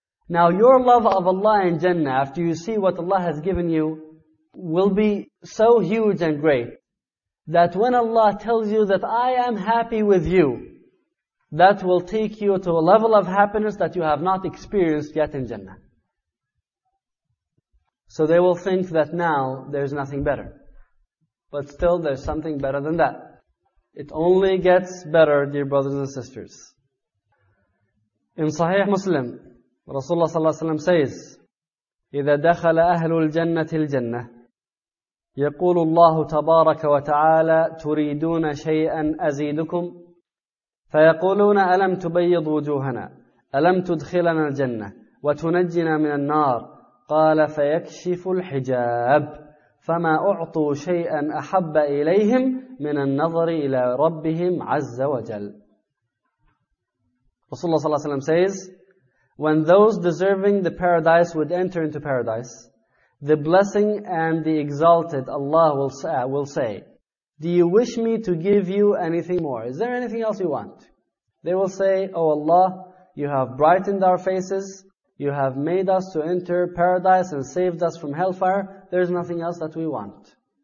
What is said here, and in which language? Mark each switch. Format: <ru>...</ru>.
<en>Now your love of Allah in Jannah, after you see what Allah has given you, will be so huge and great that when Allah tells you that I am happy with you, that will take you to a level of happiness that you have not experienced yet in Jannah. So they will think that now there's nothing better. But still there's something better than that. It only gets better, dear brothers and sisters. In Sahih Muslim, Rasulullah sallallahu alayhi wa sallam says,</en> <ar>إِذَا دَخَلَ أَهْلُ الْجَنَّةِ الْجَنَّةِ يَقُولُ اللَّهُ تَبَارَكَ وَتَعَالَى تُرِيدُونَ شَيْئًا أَزِيدُكُمْ فَيَقُولُونَ أَلَمْ تُبَيِّضْ وُجُوهَنَا أَلَمْ تُدْخِلَنَا الْجَنَّةِ وَتُنَجِّنَا مِنَ النَّارِ قَالَ فَيَكْشِفُ الْحِجَابِ فَمَا أُعْطُوا شَيْئًا أَحَبَّ إِلَيْهِمْ مِنَ النَّظَرِ إِلَى رَبِّهِمْ عَزَّ وَجَلْ.</ar> <en>Rasulullah sallallahu alayhi wa sallam says, When those deserving the paradise would enter into paradise, the blessing and the exalted Allah will say, Do you wish me to give you anything more? Is there anything else you want? They will say, O Allah, you have brightened our faces, you have made us to enter paradise and saved us from hellfire, there is nothing else that we want.</en>